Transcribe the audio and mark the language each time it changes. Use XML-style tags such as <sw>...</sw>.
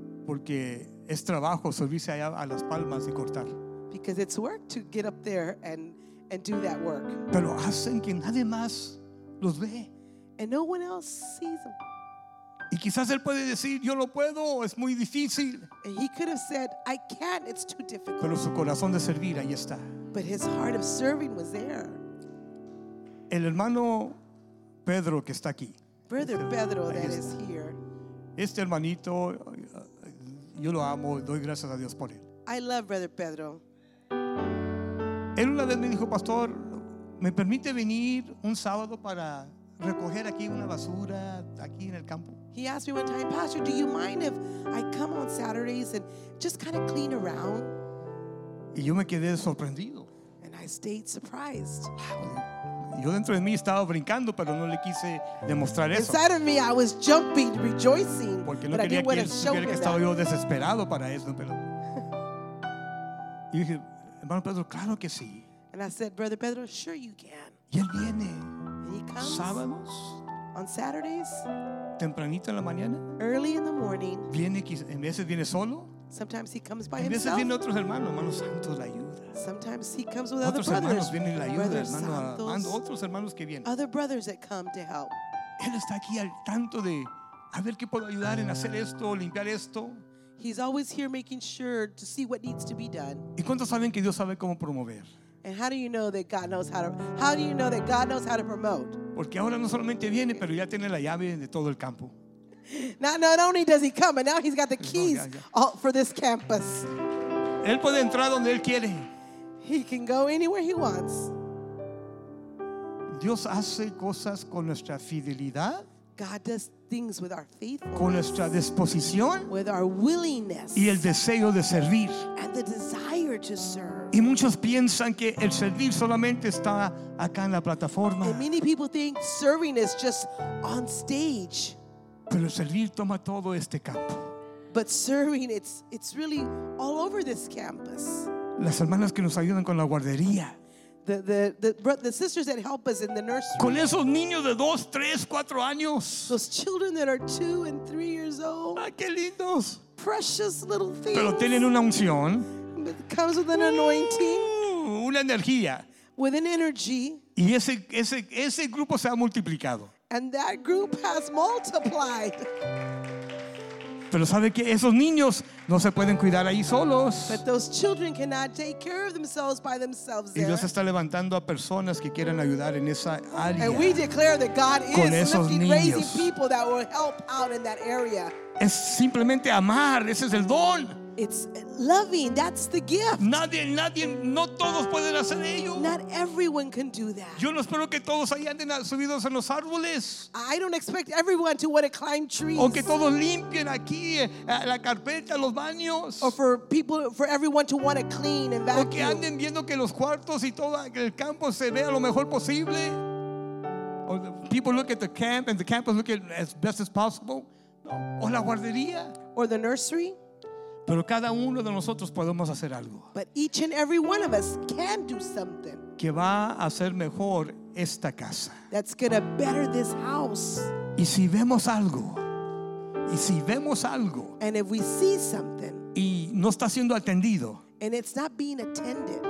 <es>Porque es trabajo servirse allá a las palmas y cortar.</es> <en>Because it's work to get up there and do that work.</en> <es>Pero hacen que nadie más los ve.</es> <en>And no one else sees them.</en> <es>Y quizás él puede decir, yo lo puedo, es muy difícil.</es> <en>And he could have said, I can't, it's too difficult.</en> <es>Pero su corazón de servir ahí está.</es> <en>But his heart of serving was there.</en> <es>El hermano Pedro que está aquí.</es> <en>Brother Pedro that is here.</en> <es>Este hermanito, yo lo amo, doy gracias a Dios por él.</es> <en>I love Brother Pedro.</en> <es>Él una vez me dijo, pastor, ¿me permite venir un sábado para recoger aquí una basura aquí en el campo?</es> <en>He asked me one time, pastor, do you mind if I come on Saturdays and just kind of clean around?</en> <es>Y yo me quedé sorprendido.</es> <en>And I stayed surprised.</en> <es>Yo dentro de mí estaba brincando, pero no le quise demostrar eso.</es> <en>Inside of me, I was jumping, rejoicing.</en> <es>Porque no quería que estaba yo desesperado para eso. Pero... y dije, hermano Pedro, claro que sí.</es> <en>And I said, Brother Pedro, sure you can.</en> <es>Y él viene.</es> <en>And he comes.</en> <es>Sábados.</es> <en>On Saturdays.</en> <es>Tempranito en la mañana.</es> <en>Early in the morning.</en> <es>Viene, en veces viene solo.</es> <en>Sometimes he comes by himself. Sometimes he comes with other</en> <es>otros</es> <en>brothers. Sometimes he comes with other brothers.</en> <es>Otros hermanos que vienen.</es> <en>Other brothers that come to help.</en> <es>Él está aquí al tanto de a ver qué puedo ayudar en hacer esto, limpiar esto.</es> <en>He's always here making sure to see what needs to be done.</en> <es>¿Y cuántos saben que Dios sabe cómo promover?</es> <en>And how do you know that God knows how to promote?</en> <es>Porque ahora no solamente viene, pero ya tiene la llave de todo el campo.</es> <en>Not only does he come, but now he's got the keys all for this campus.</en> <es>Él puede entrar donde él quiere.</es> <en>He can go anywhere he wants.</en> <es>Dios hace cosas con nuestra fidelidad.</es> <en>God does things with our faithfulness.</en> <es>Con nuestra disposición.</es> <en>With our willingness.</en> <es>Y el deseo de servir.</es> <en>And the desire to serve.</en> <es>Y muchos piensan que el servir solamente está acá en la plataforma.</es> <en>And many people think serving is just on stage.</en> <es>Pero servir toma todo este campo.</es> <en>But serving, it's really all over this campus.</en> <es>Las hermanas que nos ayudan con la guardería.</es> <en>The sisters that help us in the nursery.</en> <es>Con esos niños de 2, 3, 4 años.</es> <en>Those children that are 2 and 3 years old.</en> <es>Ah, qué lindos.</es> <en>Precious little things.</en> <es>Pero tienen una unción.</es> <en>It comes with an anointing.</en> <es>Una energía.</es> <en>With an energy.</en> <es>Y ese grupo se ha multiplicado.</es> <en>And that group has multiplied.</en> <es>Pero sabe que esos niños no se pueden cuidar ahí solos.</es> <en>But those children cannot take care of themselves by themselves.</en> <es>Y Dios está levantando a personas que quieran ayudar en esa área.</es> <en>And we declare that God is lifting, raising people that will help out in that area.</en> <es>Es simplemente amar. Ese es el don.</es> <en>It's loving. That's the gift.</en> <es>No todos pueden hacer ello.</es> <en>Not everyone can do that.</en> <es>Yo no espero que todos ahí anden subidos en los árboles.</es> <en>I don't expect everyone to want to climb trees.</en> <es>O que todos limpien aquí la carpeta, los baños.</es> <en>Or for people, for everyone to want to clean and vacuum.</en> <es>O que anden viendo que los cuartos y todo el campo se vea lo mejor posible.</es> <en>Or the people look at the camp and the campus look at as best as possible.</en> <es>O la guardería.</es> <en>Or the nursery.</en> <es>Pero cada uno de nosotros podemos hacer algo.</es> <en>But each and every one of us can do something.</en> <es>Que va a ser mejor esta casa.</es> <en>That's gonna better this house.</en> <es>Y si vemos algo. Y si vemos algo.</es> <en>And if we see something.</en> <es>Y no está siendo atendido.</es> <en>And it's not being attended.</en>